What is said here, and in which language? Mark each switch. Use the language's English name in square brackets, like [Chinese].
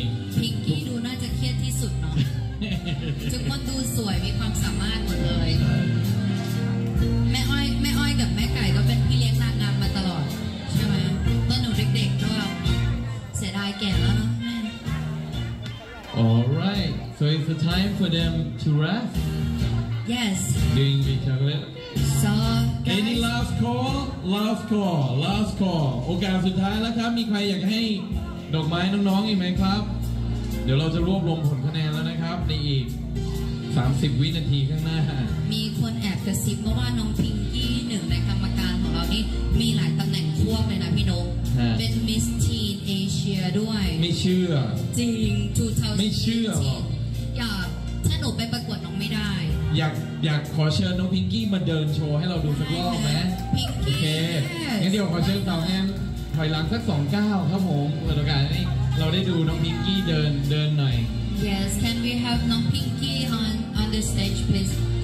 [Thai] พิงกี้ดูน่าจะเครียดที่สุดเนาะทุกคนดูสวยมีความสามารถหมดเลยแม่อ้อยกับแม่ไก่ก็เป็นพี่เลี้ยงนางงามมาตลอดใช่ไหมตอนหนูเด็กๆก็เสียดายแก่แล้วเนาะแม่ [English] All right so it's the time for them to rest Yes doing the chocolate So, guys, Any last call? Last call. [Thai] โอกาสสุดท้ายแล้วครับมีใครอยากให้ดอกไม้น้องๆอีกไหมครับเดี๋ยวเราจะรวบรวมผลคะแนนแล้วนะครับในอีก30วินาทีข้างหน้ามีคนแอบกระซิบว่าน้องพิงกี้หนึ่งในกรรมการของเรานี่มีหลายตำแหน่งทั่วไปนะพี่นกเป็น Miss Teen Asia ด้วย ไม่เชื่อ จริง2000 ไม่เชื่อหรอก อยากถ้าหนูไปประกวดน้องไม่ได้ อยากขอเชิญน้องพิงกี้มาเดินโชว์ให้เราดูสักรอบไหม พิงกี้ โอเคงั้นเดี๋ยวขอเชิญสาวแอนถอยหลังสัก29ครับผมเพื่อโอกาสให้เราได้ดูน้องพิงกี้เดินหน่อย [English] Yes can we have น้องพิงกี้ on the stage please